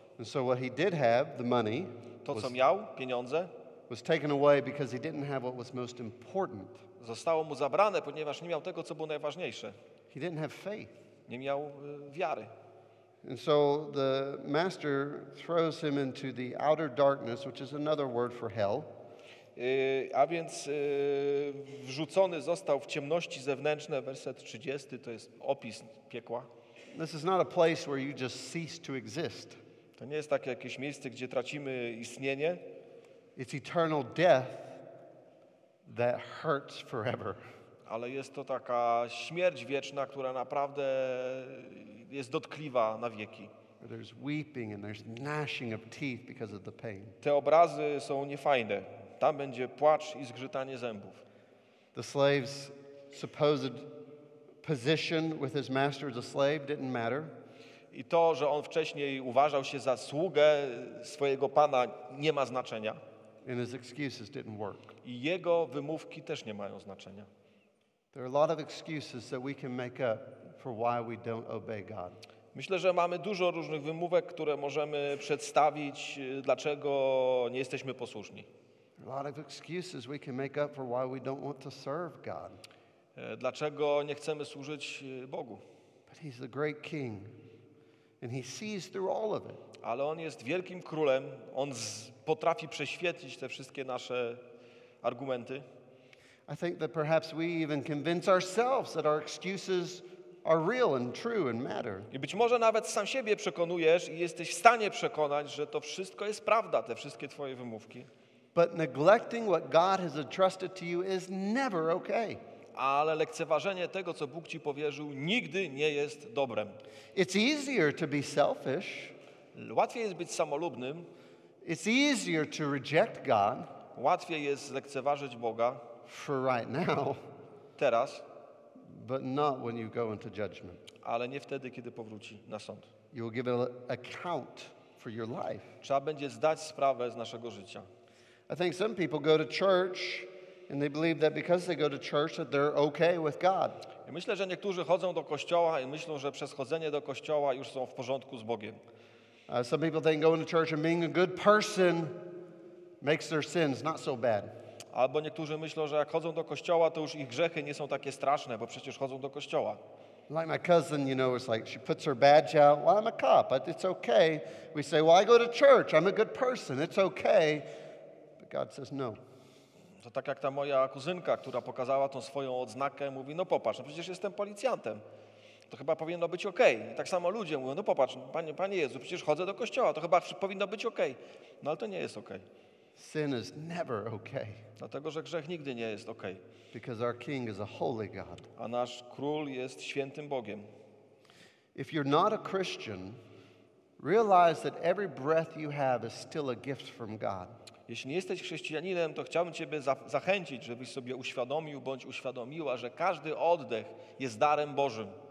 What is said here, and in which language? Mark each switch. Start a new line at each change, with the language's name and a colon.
English: And so what he did have, the money,
Polish: to, co miał, pieniądze,
English: was taken away because he didn't have what was most important.
Polish: Zostało mu zabrane, ponieważ nie miał tego, co było najważniejsze.
English: He didn't have faith.
Polish: Nie miał wiary.
English: And so the master throws him into the outer darkness, which is another word for hell.
Polish: A więc wrzucony został w ciemności zewnętrzne, werset 30, to jest opis piekła.
English: This is not a place where you just cease to exist.
Polish: To nie jest takie jakieś miejsce, gdzie tracimy istnienie.
English: It's eternal death that hurts forever.
Polish: Ale jest to taka śmierć wieczna, która naprawdę jest dotkliwa na wieki.
English: There's weeping and there's gnashing of teeth because of the pain.
Polish: Te obrazy są niefajne. Tam będzie płacz i zgrzytanie zębów.
English: The slave's supposed position with his master as a slave didn't matter.
Polish: I to, że on wcześniej uważał się za sługę swojego pana, nie ma znaczenia.
English: And his excuses didn't work.
Polish: I jego wymówki też nie mają znaczenia.
English: There are a lot of excuses that we can make up for why we don't obey God.
Polish: Myślę, że mamy dużo różnych wymówek, które możemy przedstawić, dlaczego nie jesteśmy posłuszni.
English: A lot of excuses we can make up for why we don't want to serve God.
Polish: Dlaczego nie chcemy służyć Bogu?
English: But he's the great king and he sees through all of it.
Polish: Ale on jest wielkim królem, on potrafi prześwietlić te wszystkie nasze argumenty.
English: I think that perhaps we even convince ourselves that our excuses are real and true and matter.
Polish: I być może nawet sam siebie przekonujesz i jesteś w stanie przekonać, że to wszystko jest prawda, te wszystkie twoje wymówki.
English: But neglecting what God has entrusted to you is never okay.
Polish: Ale lekceważenie tego, co Bóg ci powierzył, nigdy nie jest dobrem.
English: It's easier to be selfish.
Polish: Łatwiej jest być samolubnym.
English: It's easier to reject God.
Polish: Łatwiej jest lekceważyć Boga.
English: For right now.
Polish: Teraz.
English: But not when you go into judgment.
Polish: Ale nie wtedy, kiedy powróci na sąd.
English: You will give an account for your life.
Polish: Trzeba będzie zdać sprawę z naszego życia.
English: I think some people go to church and they believe that because they go to church that they're okay with God.
Polish: I myślę, że niektórzy chodzą do kościoła i myślą, że przez chodzenie do kościoła już są w porządku z Bogiem.
English: Some people think going to church and being a good person makes their sins not so bad.
Polish: Albo niektórzy myślą, że jak chodzą do kościoła, to już ich grzechy nie są takie straszne, bo przecież chodzą do kościoła.
English: Like my cousin, you know, it's like she puts her badge out. Well, I'm a cop, but it's okay. We say, well, I go to church. I'm a good person. It's okay. God says no.
Polish: To tak jak ta moja kuzynka, która pokazała tą swoją odznakę, mówi, no popatrz, no przecież jestem policjantem. To chyba powinno być okej. Okay. Tak samo ludzie mówią, no popatrz, Panie Jezu, przecież chodzę do kościoła, to chyba powinno być okej. Okay. No ale to nie jest okej.
English: Okay. Sin is never okay.
Polish: Dlatego, że grzech nigdy nie jest okej.
English: Okay. Because our king is a holy God.
Polish: A nasz król jest świętym Bogiem.
English: If you're not a Christian, realize that every breath you have is still a gift from God.
Polish: Jeśli nie jesteś chrześcijaninem, to chciałbym Ciebie zachęcić, żebyś sobie uświadomił bądź uświadomiła, że każdy oddech jest darem Bożym.